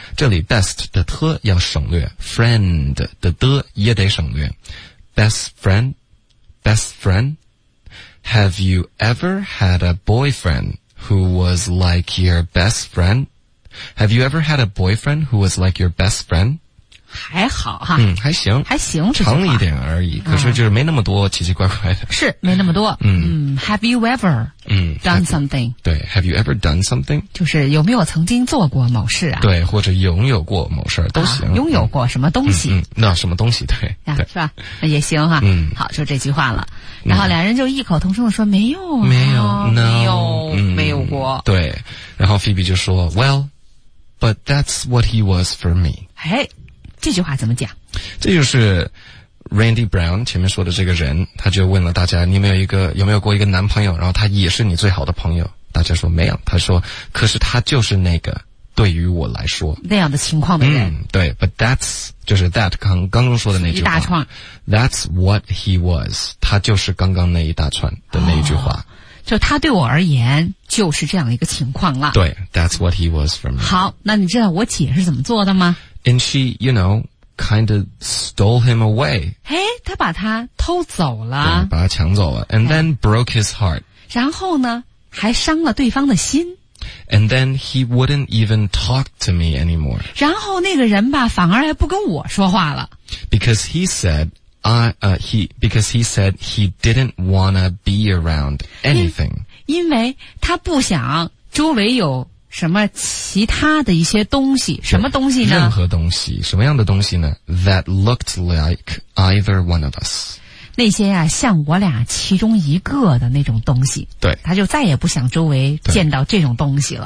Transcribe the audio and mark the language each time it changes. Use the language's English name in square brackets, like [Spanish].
[Chinese] 这里 best 的特要省略 ，friend 的的也得省略。 [English] Best friend, have you ever had a boyfriend who was like your best friend? Have you ever had a boyfriend who was like your best friend? [Chinese] 还好哈，嗯，还行，还行，长一点而已，可是就是没那么多奇奇怪怪的，是没那么多。 [English] Have you ever？ Done something. 对 ,have you ever done something? [Chinese] 就是有没有曾经做过某事啊，对，或者拥有过某事都行、啊。拥有过什么东西、那什么东西，对。是吧，也行哈、啊。嗯，好，就这句话了。然后两人就异口同声地说没有啊。没有、哦、no, 没有、没有过。对。然后 Phoebe 就说 [English] well, but that's what he was for me. [Chinese] 哎，这句话怎么讲，这就是Randy Brown 前面说的这个人，他就问了大家，你有没有过一个男朋友，然后他也是你最好的朋友，大家说没有，他说可是他就是那个对于我来说那样的情况的人、对 [English] but that's [Chinese] 就是 that 刚刚说的那句话一大串 [English] that's what he was， [Chinese] 他就是刚刚那一大串的那一句话、就他对我而言就是这样一个情况了， [English] 对 that's what he was for me。 [Chinese] 好，那你知道我姐是怎么做的吗？ [English] and she you knowKind of stole him away. [Chinese] 嘿，他把他偷走了，对，把他抢走了。 [English] And then broke his heart. [Chinese] 然后呢，还伤了对方的心。 [English] And then he wouldn't even talk to me anymore. [Chinese] 然后那个人吧，反而还不跟我说话了。 [English] Because he said he didn't wanna be around anything. [Chinese] 因为他不想周围有什么其他的一些东西，什么东西呢？任何东西，什么样的东西呢？ [English] That looked like either one of us. [Chinese] 那些啊，像我俩其中一个的那种东西。对。他就再也不想周围见到这种东西了。